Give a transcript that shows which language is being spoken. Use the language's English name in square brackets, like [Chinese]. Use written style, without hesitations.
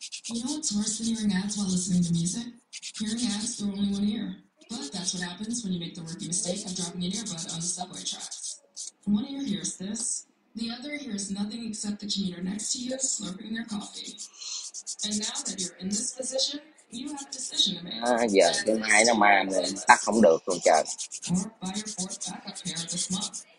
[English] You know what's worse than hearing ads while listening to music? Hearing ads through only one ear. But that's what happens when you make the rookie mistake of dropping an earbud on the subway tracks. One ear hears this, the other hears nothing except the commuter next to you slurping their coffee. And now that you're in this position, you have a decision to make. [Vietnamese] Giờ cái máy nó mà tắt không được luôn trời. [English] Or buy your fourth backup pair this month.